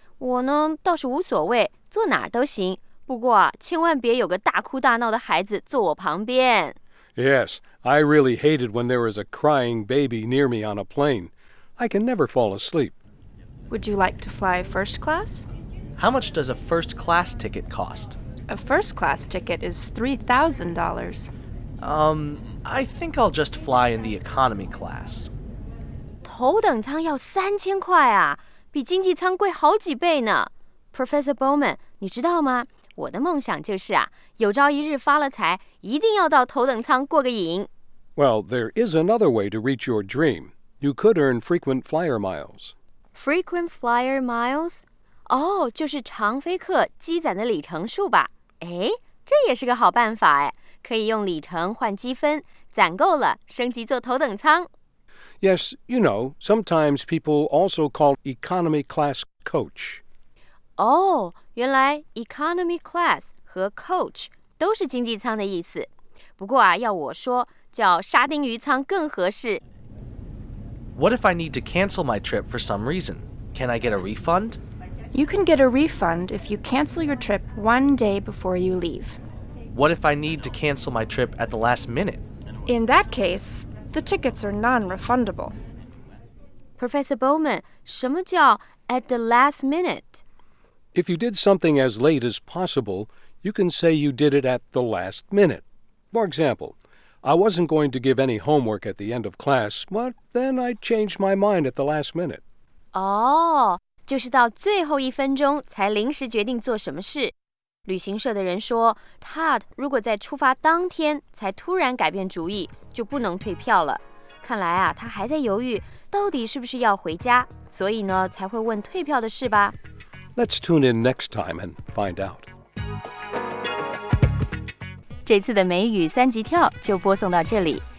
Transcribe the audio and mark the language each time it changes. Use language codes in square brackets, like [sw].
[zh] 我呢倒是无所谓，坐哪儿都行。不过啊，千万别有个大哭大闹的孩子坐我旁边。 [en] Yes, I really hate it when there is a crying baby near me on a plane. I can never fall asleep. Would you like to fly first class? How much does a first class ticket cost? A first class ticket is $3,000. I think I'll just fly in the economy class. [zh] 头等舱要3000块啊，比经济舱贵好几倍呢。 Professor Bowman, 你知道吗？我的梦想就是啊，有朝一日发了财，一定要到头等舱过个瘾。 [en] Well, there is another way to reach your dream. You could earn frequent flyer miles. Frequent flyer miles? [zh] 哦，就是常飞客积攒的里程数吧。哎，这也是个好办法哎，可以用里程换积分，攒够了升级坐头等舱。 [en] Yes, you know, sometimes people also call economy class coach. [zh] Oh, 原来 economy class 和 coach 都是经济舱的意思。不过啊，要我说，叫沙丁鱼舱更合适。 [en] What if I need to cancel my trip for some reason? Can I get a refund? You can get a refund if you cancel your trip one day before you leave. What if I need to cancel my trip at the last minute? In that case, the tickets are non-refundable. [zh] Professor Bowman, 什么叫 at the last minute? [en] If you did something as late as possible, you can say you did it at the last minute. For example, I wasn't going to give any homework at the end of class, but then I changed my mind at the last minute. [zh] 哦，就是到最后一分钟才临时决定做什么事。旅行社的人说 ，Todd 如果在出发当天才突然改变主意，就不能退票了。看来啊，他还在犹豫到底是不是要回家，所以呢才会问退票的事吧。 [en] Let's tune in next time and find out. [zh] 这次的美语三级跳就播送到这里。